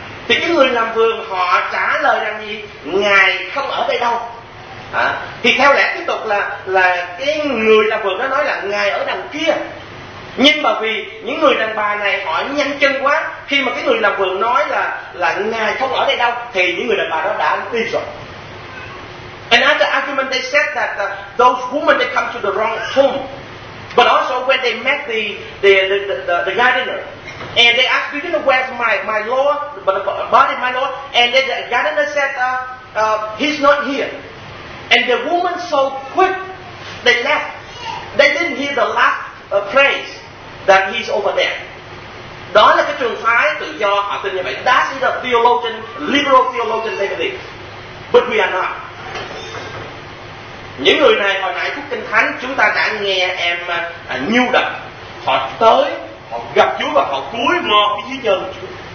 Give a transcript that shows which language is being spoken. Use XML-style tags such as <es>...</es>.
<vi>Thì cái người làm vườn họ trả lời rằng gì? Ngài không ở đây đâu. Thì theo lẽ tiếp tục là cái người làm vườn nó nói là Ngài ở đằng kia. Nhưng mà vì những người đàn bà này họ nhanh chân quá, khi mà cái người làm vườn nói là Ngài không ở đây đâu, thì những người đàn bà đó đã đi rồi.</vi> <en>Another argument they said that those women they come to the wrong home. But also when they met the gardener, and they asked, "Do you know where's my Lord, the body of my Lord?" And then the gardener said, "He's not here." And the woman so quick, they left. They didn't hear the last phrase that he's over there.</en> <vi>Đó là cái trường phái tự do họ tin như vậy.</vi> <en>That's the theologian, liberal theologian they believe. But we are not.</en> <vi>Những người này hồi nãy phúc Kinh Thánh chúng ta đã nghe em nhu đập, họ tới, họ gặp Chúa và họ cúi ngò dưới chân Chúa.</vi>